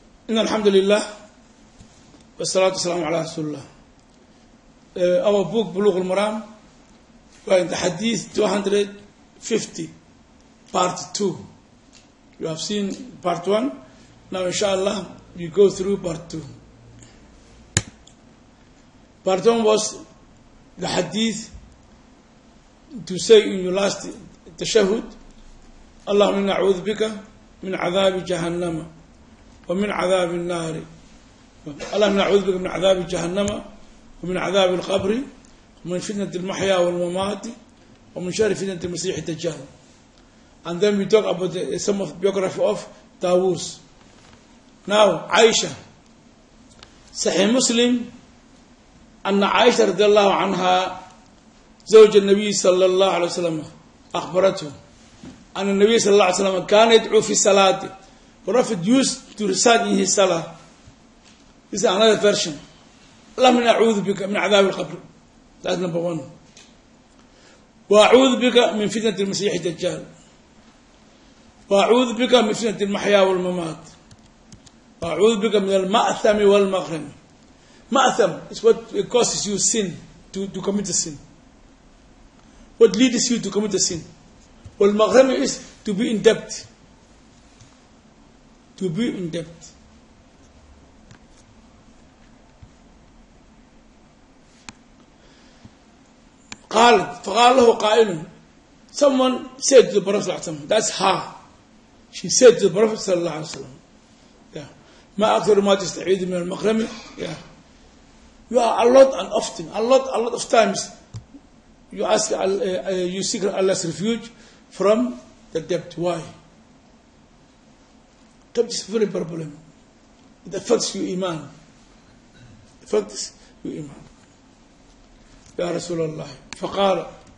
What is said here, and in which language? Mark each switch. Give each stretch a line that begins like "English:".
Arabic: إن الحمد لله والصلاة والسلام على رسول الله. أبو بوك بلوغ المرام وإن الحديث 250
English: part 2. You have seen part 1. Now inshallah we go through part 2. Part 1 was the hadith to say in your last tashahhud,
Arabic: اللهم إنا أعوذ بك من عذاب جهنم ومن عذاب النار. اللهم نعوذ بك من عذاب جهنم ومن عذاب القبر ومن فتنة المحيا والممات ومن شر فتنة المسيح الدجال.
English: And then we talk about some of the biography of Tawus.
Arabic: Now Aisha, صحيح مسلم أن عائشة رضي الله عنها زوج النبي صلى الله عليه وسلم أخبرته أن النبي صلى الله عليه وسلم كان يدعو في الصلاة.
English: Prophet used to recite in his salah. This is another version.
Arabic: اللهم أعوذ بك من عذاب القبر.
English: That's number one.
Arabic: وأعوذ بك من فتنة المسيح الدجال. وأعوذ بك من فتنة المحيا والممات. وأعوذ بك من المأثم والمغرم.
English: مأثم is what causes you sin to commit a sin. What leads you to commit a sin. والمغرم is to be in debt. To be in debt.
Arabic: قالت فقال له قائل.
English: Someone said to the Prophet
Arabic: صلى الله عليه وسلم.
English: That's her. She said to the Prophet صلى الله عليه وسلم. Yeah.
Arabic: ما أكثر ما تستعيد من المغرم.
English: Yeah. You are a lot of times. You ask, you seek Allah's refuge from the debt. Why? That is a very problem. It affects your iman. Affects your iman.
Arabic: Ya Rasulullah. Faqala.